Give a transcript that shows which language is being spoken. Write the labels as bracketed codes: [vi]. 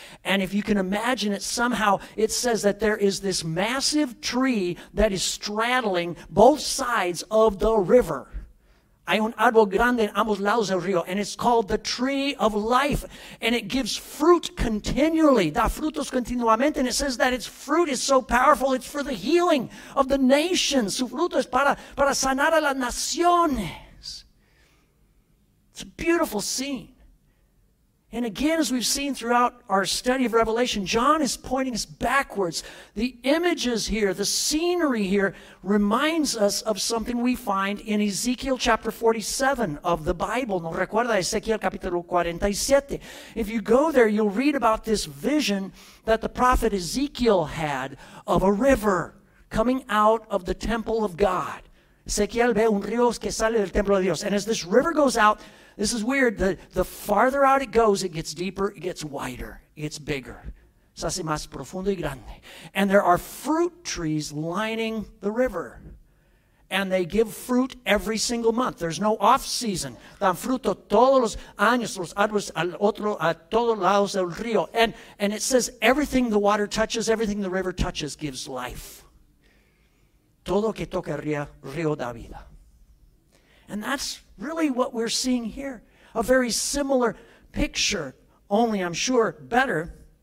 [en] And if you can imagine it somehow, it says that there is this massive tree that is straddling both sides of the river. [es] Hay un árbol grande en ambos lados del río, [en] and it's called the tree of life, and it gives fruit continually, [es] da frutos continuamente, [en] and it says that its fruit is so powerful, it's for the healing of the nations. [es] Su fruto es para sanar a las naciones. [en] It's a beautiful scene. And again, as we've seen throughout our study of Revelation, John is pointing us backwards. The images here, the scenery here, reminds us of something we find in Ezekiel chapter 47 of the Bible. [es] ¿No recuerda Ezequiel capítulo 47? [en] If you go there, you'll read about this vision that the prophet Ezekiel had of a river coming out of the temple of God. [es] Ezequiel ve un río que sale del templo de Dios. [en] And as this river goes out, this is weird. The farther out it goes, it gets deeper, it gets wider, it gets bigger. [es] Se hace más profundo y grande. [en] And there are fruit trees lining the river. And they give fruit every single month. There's no off season. [es] Dan fruto todos los años, los árboles al otro, a todos lados del río. [en] And it says everything the water touches, everything the river touches gives life. [es] Todo que toca río da vida. [en] And that's really what we're seeing here. A very similar picture, only I'm sure better.